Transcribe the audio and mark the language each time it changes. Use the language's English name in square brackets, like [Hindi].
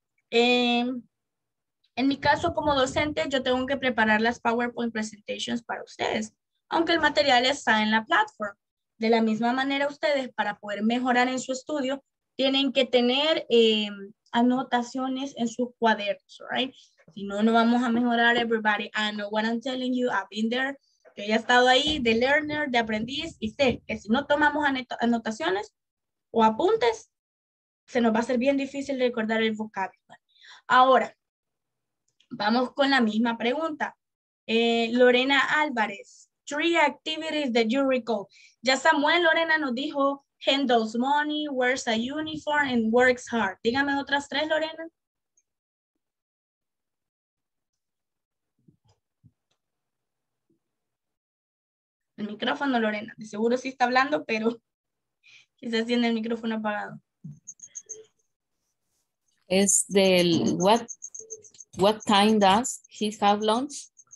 [Spanish] En mi caso, como docente, yo tengo que preparar las PowerPoint presentations para ustedes, aunque el material está en la plataforma. De la misma manera, ustedes, para poder mejorar en su estudio, tienen que tener anotaciones en sus cuadernos, right? Si no, no vamos a mejorar, everybody. [English] I know what I'm telling you. I've been there. [Spanish] Que haya estado ahí de learner, de aprendiz, y sé que si no tomamos anotaciones o apuntes, se nos va a ser bien difícil recordar el vocabulario. Ahora, vamos con la misma pregunta. [English] Lorena Álvarez, three activities that you recall. Ya Samuel, Lorena [Spanish] nos dijo, [English] handles money, wears a uniform, and works hard. [Spanish] Dígame otras tres, Lorena. El micrófono, Lorena. De seguro sí está hablando, pero quizás tiene el micrófono apagado. Es del [English] what time does he have lunch?